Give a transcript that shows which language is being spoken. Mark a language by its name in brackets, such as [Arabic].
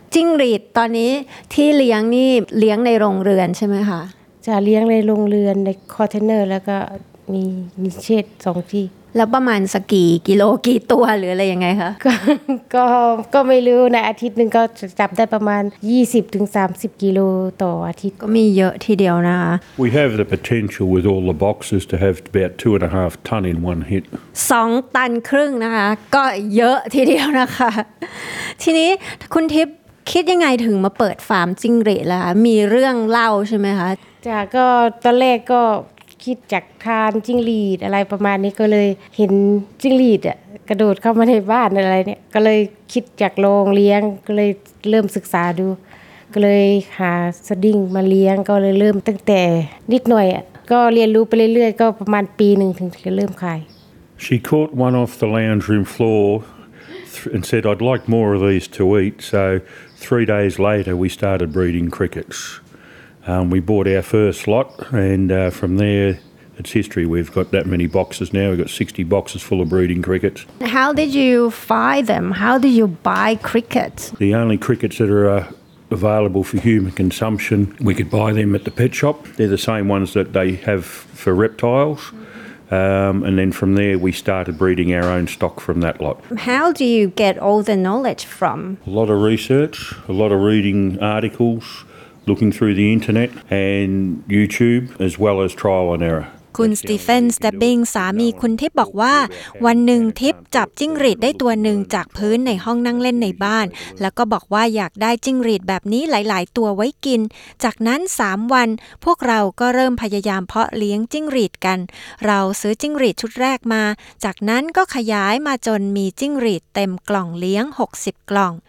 [Thai] จิ้งหรีดตอนนี้ที่เลี้ยงนี่เลี้ยงในโรงเรือนใช่ไหมคะ จะเลี้ยงในโรงเรือนในคอนเทนเนอร์แล้วก็มีเชดสองที่แล้วประมาณสักกี่กิโลกี่ตัวหรืออะไรยังไงคะ ก็ไม่รู้ในอาทิตย์นึงก็จับได้ประมาณ20-30กิโลต่ออาทิตย์ก็มีเยอะทีเดียวนะคะ [English] We have the potential with all the boxes to have about 2.5 ton in one hit [Thai] 2ตันครึ่งนะคะก็เยอะทีเดียวนะคะทีนี้คุณทิพย์คิดยังไงถึงมาเปิดฟาร์มจิ้งหรีดล่ะคะมีเรื่องเล่าใช่ไหมคะ จ้ะก็ตอนแรกก็คิดจากทานจิ้งหรีดอะไรประมาณนี้ก็เลยเห็นจิ้งหรีดอ่ะกระโดดเข้ามาในบ้านอะไรเนี่ยก็เลยคิดจากโรงเลี้ยงก็เลยเริ่มศึกษาดูก็เลยหาสดิ้งมาเลี้ยงก็เลยเริ่มตั้งแต่นิดหน่อยอ่ะก็เรียนรู้ไปเรื่อยๆก็ประมาณปีหนึ่งถึงจะเริ่มขาย [English] She caught one off the lounge room floor and said I'd like more of these to eat so 3 days later we started breeding crickets we bought our first lot and from there it's history we've got that many boxes now we've got 60 boxes full of breeding crickets how did you buy them how did you buy crickets the only crickets that are available for human consumption we could buy them at the pet shop they're the same ones that they have for reptiles and then from there we started breeding our own stock from that lot how do you get all the knowledge from a lot of research a lot of reading articlesLooking through the internet and YouTube, as well as trial and error. [Thai] คุณสตีเฟนสเตปปิ้งสามีคุณทิพย์บอกว่าวันหนึ่งทิพย์จับจิ้งหรีดได้ตัวหนึ่งจากพื้นในห้องนั่งเล่นในบ้านแล้วก็บอกว่าอยากได้จิ้งหรีดแบบนี้หลายๆตัวไว้กินจากนั้น3วันพวกเราก็เริ่มพยายามเพาะเลี้ยงจิ้งหรีดกันเราซื้อจิ้งหรีดชุดแรกมาจากนั้นก็ขยายมาจนมีจิ้งหรีดเต็มกล่องเลี้ยง60กล่อง